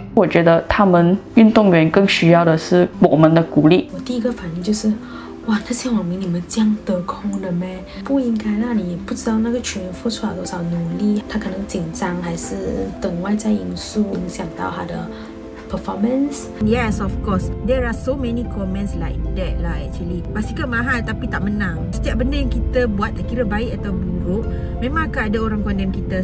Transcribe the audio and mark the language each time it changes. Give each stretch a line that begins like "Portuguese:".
Chinese: 我觉得他们运动员更需要的是我们的鼓励。我第一个反应就是哇，那些网民你们这样得空的吗？不应该，那你也不知道那个球员付出了多少努力，他可能紧张还是等外在因素影响到他的
English: performance. Yes, of course. There are so many comments like that lah actually.
Malay: Basikal mahal tapi tak menang. Setiap benda yang kita buat tak kira baik atau buruk, memang akan ada orang condemn kita.